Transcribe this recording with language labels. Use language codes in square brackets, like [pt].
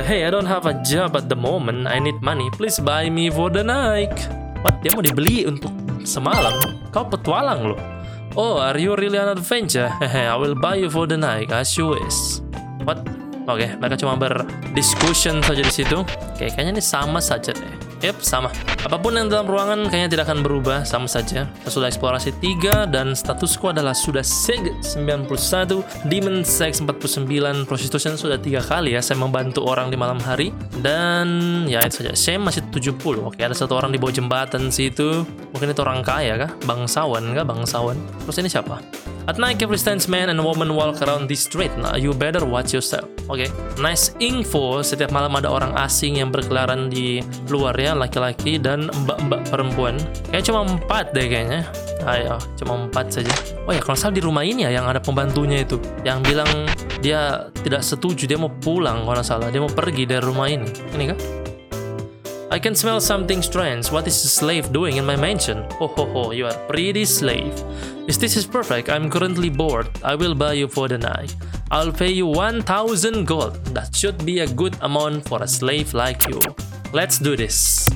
[en] Hey, I don't have a job at the moment. I need money. Please buy me for the night. What? [id] Dia mau dibeli untuk semalam? Kau petualang loh. [en] Oh, are you really an adventure? I will buy you for the night, as you wish. [id] What? Oke, okay, mereka cuma berdiskusion saja di situ. Oke, okay, kayaknya ini sama saja deh. Yep, sama. Apapun yang dalam ruangan kayaknya tidak akan berubah, sama saja. Saya sudah eksplorasi 3 dan statusku adalah sudah Sig 91, Demon Sex 49, Prostitution sudah 3 kali ya. Saya membantu orang di malam hari. Dan ya itu saja, shame masih 70. Oke, okay, ada satu orang di bawah jembatan situ. Mungkin itu orang kaya kah? Bangsawan? Terus ini siapa? [en] At night, every strange man and woman walk around this street. Now you better watch yourself. Okay. Nice info. [id] Setiap malam ada orang asing yang berkeliaran di luar ya. laki-laki dan mbak-mbak perempuan. Kayaknya cuma 4 deh kayaknya. Ayo, cuma 4 saja. Oh ya, kalau salah di rumah ini ya yang ada pembantunya itu, yang bilang dia tidak setuju, dia mau pulang kalau salah, dia mau pergi dari rumah ini. Ini kan? [en] I can smell something strange. What is the slave doing in my mansion? Ho ho ho, you are pretty slave. If this is perfect, I'm currently bored. I will buy you for the night. I'll pay you 1,000 gold. That should be a good amount for a slave like you. Let's do this.